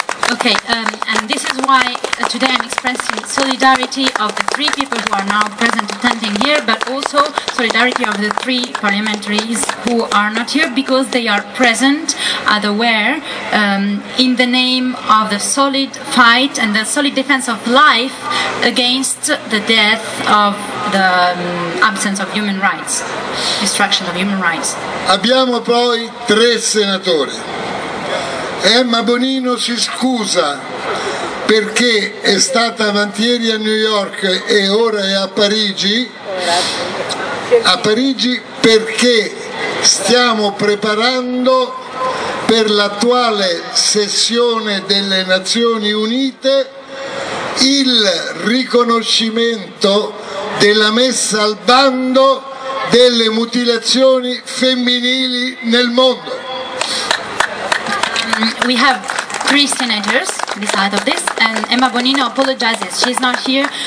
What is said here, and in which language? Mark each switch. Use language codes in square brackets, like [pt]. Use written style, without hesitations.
[en] Okay, and this is why today I'm expressing solidarity of the three people who are now present attending here, but also solidarity of the three parliamentaries who are not here, because they are present, otherwise, in the name of the solid fight and the solid defense of life against the death of the absence of human rights, destruction of human rights. [it] Abbiamo poi tre senatori. Emma Bonino si scusa perché è stata avanti ieri a New York e ora è a Parigi. A Parigi perché stiamo preparando per l'attuale sessione delle Nazioni Unite il riconoscimento della messa al bando delle mutilazioni femminili nel mondo. [en] We have three senators beside of this, and Emma Bonino apologizes. She's not here.